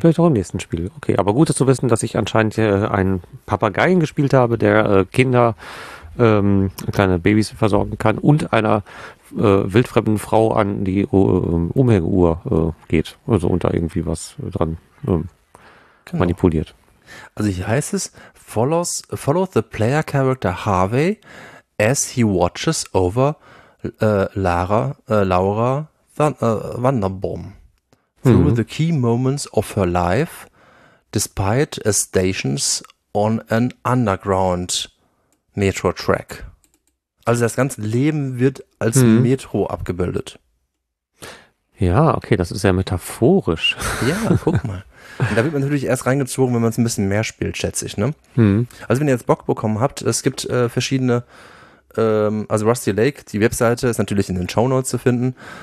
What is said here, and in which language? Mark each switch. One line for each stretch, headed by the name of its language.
German: vielleicht auch im nächsten Spiel. Okay, aber gut ist zu wissen, dass ich anscheinend einen Papageien gespielt habe, der Kinder, kleine Babys versorgen kann und einer wildfremden Frau an die Umhänguhr geht, also unter irgendwie was dran genau manipuliert. Also hier heißt es:
English: follow the player character Harvey as he watches over Laura Vanderbom through the key moments of her life despite a stations on an underground Metro Track.
German: Also das ganze Leben wird als Metro abgebildet. Ja, okay, das ist ja metaphorisch. Ja, guck mal. Und da wird man natürlich erst reingezogen, wenn man es ein bisschen mehr spielt, schätze ich, ne? Also wenn ihr jetzt Bock bekommen habt, es gibt verschiedene, also Rusty Lake, die Webseite ist natürlich in den Shownotes zu finden.